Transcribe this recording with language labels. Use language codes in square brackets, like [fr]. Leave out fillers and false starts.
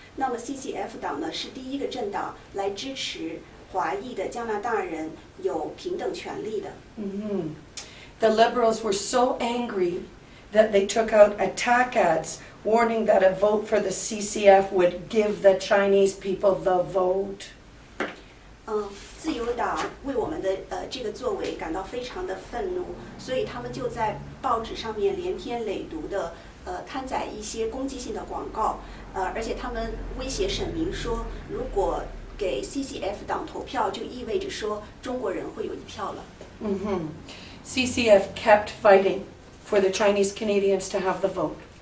[zh] 那么 CCF 党呢，是第一个政党来支持华裔的加拿大人有平等权利的。 Mm-hmm. [en] The Liberals were so angry that they took out attack ads warning that a vote for the CCF would give the Chinese people the vote. [zh] 自由党为我们的这个作为感到非常的愤怒，所以他们就在报纸上面连篇累牍的刊载一些攻击性的广告，而且他们威胁选民说，如果给 CCF 党投票，就意味着说中国人会有一票了。 [en] 嗯哼 ，CCF kept fighting for the Chinese Canadians to have the vote。